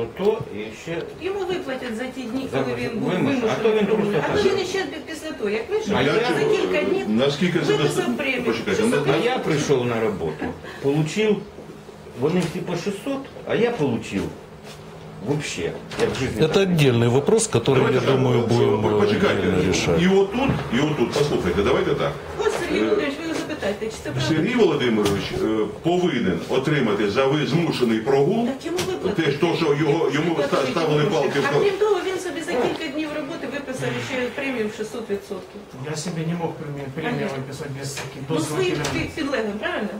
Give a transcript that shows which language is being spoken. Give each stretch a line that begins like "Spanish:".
Ukrainian: То і ще... Йому виплатять за ті дні, коли він був вимушений. А то він просто... А то він ще після того, як вийшов, а за кілька днів... Наскільки це... Почекайте. А я прийшов на роботу, получив, вони всі по 600, а я получив.
Russian: Вообще, это отдельный вопрос, который, давайте, я думаю, будем
Ukrainian: почекать.
Russian: И вот тут, послушайте, давайте так. Вот Сергей Володимирович, вы его запитаете, что это правда?
Ukrainian: Сергей Володимирович повинен отримати за змушений прогул, те, що йому ставили палки. А крім того, він собі за кілька днів роботи виписав ще премію в 600%. Я собі не мог премію виписати без таких дозволів. Ну, своїм підлеглим, правильно?